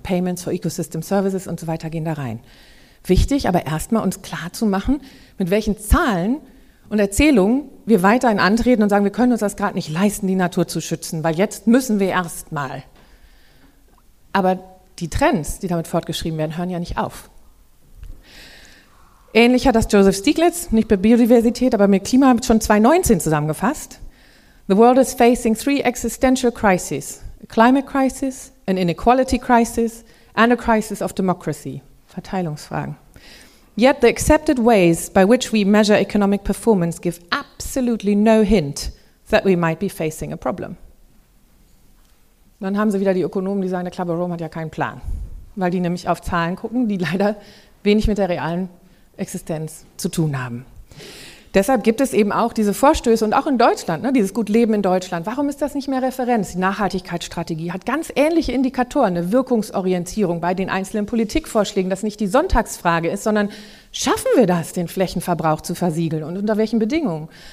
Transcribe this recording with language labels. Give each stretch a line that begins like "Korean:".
German: Payments for Ecosystem Services und so weiter gehen da rein. Wichtig, aber erstmal uns klar zu machen, mit welchen Zahlen und Erzählungen wir weiterhin antreten und sagen, wir können uns das gerade nicht leisten, die Natur zu schützen, weil jetzt müssen wir erstmal. Aber die Trends, die damit fortgeschrieben werden, hören ja nicht auf. Ähnlich hat das Joseph Stiglitz, nicht bei Biodiversität, aber mit Klima, schon 2019 zusammengefasst.
English: The world is facing three existential crises. A climate crisis, an inequality crisis and a crisis of democracy. Verteilungsfragen. Yet the accepted ways by which we measure economic performance give absolutely no hint that we might be facing a problem.
German: Dann haben sie wieder die Ökonomen, die sagen, der Club of Rome hat ja keinen Plan, weil die nämlich auf Zahlen gucken, die leider wenig mit der realen Existenz zu tun haben. Deshalb gibt es eben auch diese Vorstöße und auch in Deutschland, ne, dieses Gutleben in Deutschland. Warum ist das nicht mehr Referenz? Die Nachhaltigkeitsstrategie hat ganz ähnliche Indikatoren, eine Wirkungsorientierung bei den einzelnen Politikvorschlägen, dass nicht die Sonntagsfrage ist, sondern schaffen wir das, den Flächenverbrauch zu versiegeln und unter welchen Bedingungen?